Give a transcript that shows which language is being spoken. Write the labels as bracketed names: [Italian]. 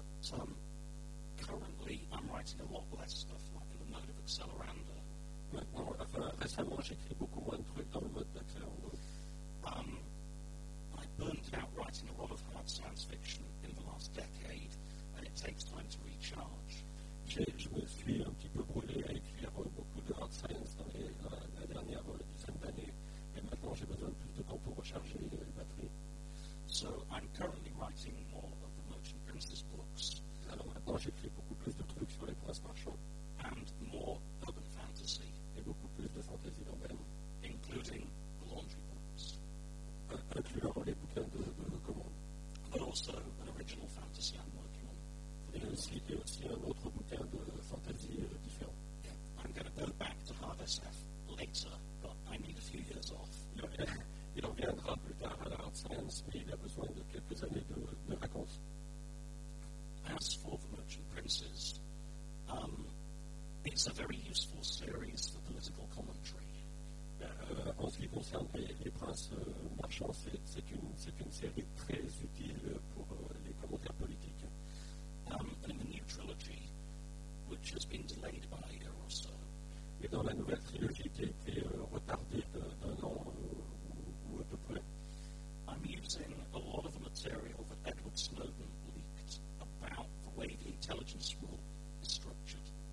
[English] But currently, I'm writing a lot less stuff, like in the mode of Accelerando. [French] Récemment, j'écris beaucoup moins de trucs dans le mode d'Accelerando. [English] I burned out writing a lot of hard science fiction in the last decade, and it takes time to recharge. [French] Je me suis un petit peu brûlé à écrire beaucoup de hard science dans la dernière dizaine d'années, et maintenant j'ai besoin de plus de temps pour recharger les batteries. [English] So I'm currently writing more of the Merchant Princes books. [French] Alors maintenant j'écris beaucoup plus de trucs sur les princes marchands. [English] And more urban fantasy. [French] Et beaucoup plus de fantasy urbaine. [English] Including the laundry books. [French] Incluant les bouquins de commandes. [English] But also an original fantasy I'm working on. [French] Et aussi un autre bouquin de fantasy différent. [English] Yeah. I'm going to go back to hard SF later, but I need a few years off. [French] Il reviendra plus tard à la hard science, mais il a besoin de quelques années de vacances. [English] As for the Merchant Princes, it's a very useful series for political commentary. [French] En ce qui concerne les princes marchands, c'est une série très utile pour les commentaires politiques. [English] In the new trilogy, which has been delayed by a year or so. [French] Et dans la nouvelle trilogie qui a été retardée d'un an. [English] I'm using a lot of the material that Edward Snowden leaked about the way the intelligence world is structured.